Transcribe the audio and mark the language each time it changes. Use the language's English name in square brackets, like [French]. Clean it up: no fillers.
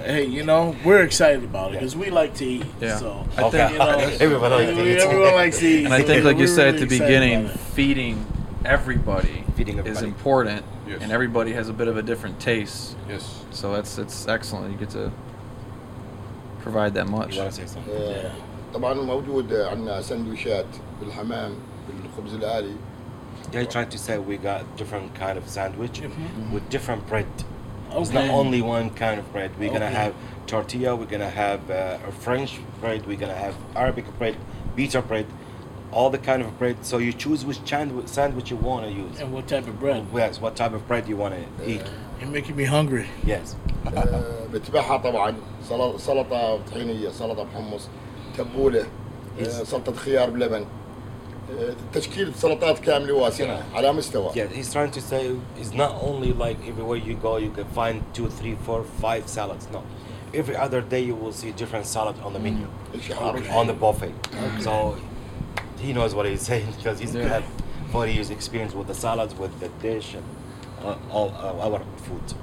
[English] Hey, you know, we're excited about it because we like to eat. Yeah. So, I think, everyone likes to eat. And I think, like you said at the beginning, feeding everybody, Is important. Yes. And everybody has a bit of a different taste. Yes. So it's excellent. You get to provide that much. You want to say something? [Arabic] Yeah. طبعا موجود عندنا سندويشات بالحمام بالخبز العالي. [English] They tried to say we got different kind of sandwich with different bread. Okay. It's not only one kind of bread. We're going to have tortilla, we're going to have a French bread, we're going to have Arabic bread, pita bread, all the kind of bread. So you choose which sandwich you want to use. And what type of bread? Yes, what type of bread you want to eat. You're making me hungry. Yes. [Arabic] بتبعها طبعا سلطة طحينية, سلطة بحمص, تبولة, سلطة خيار بلبن. تشكيل سلطات كاملة واسعة على مستوى. [English] Yeah, he's trying to say it's not only like everywhere you go you can find 2, 3, 4, 5 salads. No, every other day you will see different salad on the menu, on the buffet. Okay. So he knows what he's saying because he's had 40 years experience with the salads, with the dish, and all our food.